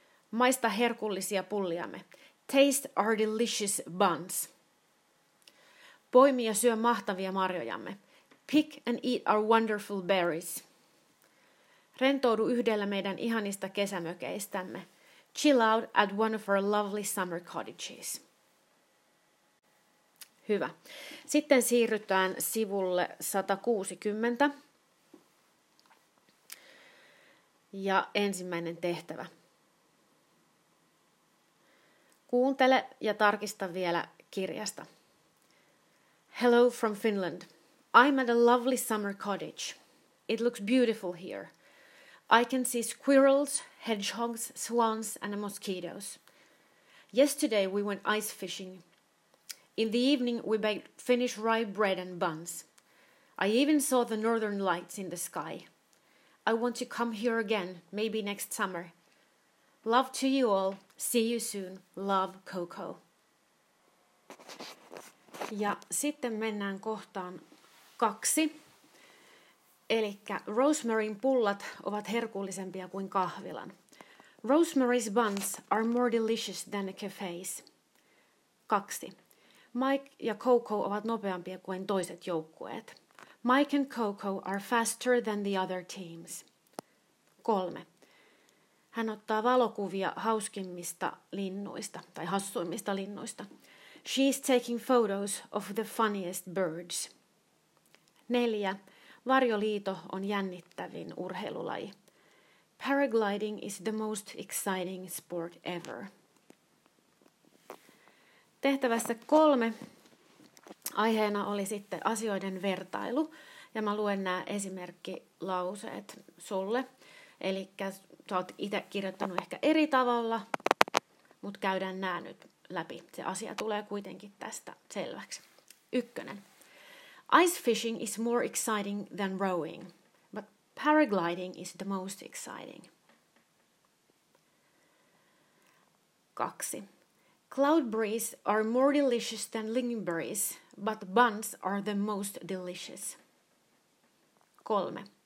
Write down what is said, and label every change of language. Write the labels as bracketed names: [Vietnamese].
[Finnish] Maista herkullisia pulliamme. [English] Taste our delicious buns. [Finnish] Poimi ja syö mahtavia marjojamme. [English] Pick and eat our wonderful berries. [Finnish] Rentoudu yhdellä meidän ihanista kesämökeistämme. [English] Chill out at one of our lovely summer cottages. [Finnish] Hyvä. Sitten siirrytään sivulle 160. Ja ensimmäinen tehtävä. Kuuntele ja tarkista vielä kirjasta. [English] Hello from Finland. I'm at a lovely summer cottage. It looks beautiful here. I can see squirrels, hedgehogs, swans and mosquitoes. Yesterday we went ice fishing. In the evening we baked Finnish rye bread and buns. I even saw the northern lights in the sky. I want to come here again, maybe next summer. Love to you all. See you soon. Love, Coco. [Finnish] Ja sitten mennään kohtaan 2. Elikkä rosemaryn pullat ovat herkullisempia kuin kahvilan. [English] Rosemary's buns are more delicious than a cafe's. 2. [Finnish] Mike ja Coco ovat nopeampia kuin toiset joukkueet. [English] Mike and Coco are faster than the other teams. 3. [Finnish] Hän ottaa valokuvia hauskimmista linnuista, tai hassuimmista linnuista. [English] She is taking photos of the funniest birds. 4. [Finnish] Varjoliito on jännittävin urheilulaji. [English] Paragliding is the most exciting sport ever. [Finnish] Tehtävässä 3 aiheena oli sitten asioiden vertailu. Ja mä luen nämä esimerkkilauseet sulle. Eli sä oot itse kirjoittanut ehkä eri tavalla, mutta käydään nämä nyt läpi. Se asia tulee kuitenkin tästä selväksi. 1. [English] Ice fishing is more exciting than rowing, but paragliding is the most exciting. 2. Cloudberries are more delicious than lingonberries, but buns are the most delicious. 3.